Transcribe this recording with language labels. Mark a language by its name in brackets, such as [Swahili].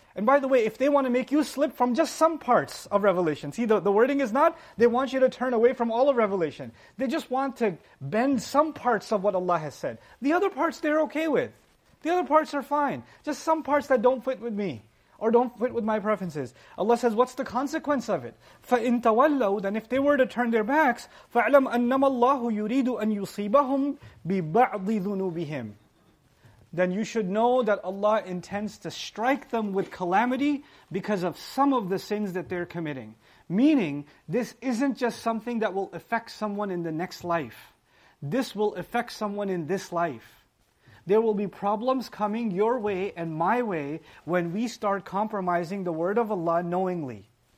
[English] And by the way, if they want to make you slip from just some parts of revelation, see, the wording is not, they want you to turn away from all of revelation. They just want to bend some parts of what Allah has said. The other parts they're okay with. The other parts are fine. Just some parts that don't fit with me, or don't fit with my preferences. Allah says, what's the consequence of it? [Arabic] فَإِنْ تَوَلَّوْا, [English] then if they were to turn their backs, [Arabic] فَعْلَمْ أَنَّمَ اللَّهُ يُرِيدُ أَنْ يُصِيبَهُمْ بِبَعْضِ ذُنُوبِهِمْ. [English] Then you should know that Allah intends to strike them with calamity because of some of the sins that they're committing. Meaning, this isn't just something that will affect someone in the next life. This will affect someone in this life. There will be problems coming your way and my way when we start compromising the word of Allah knowingly.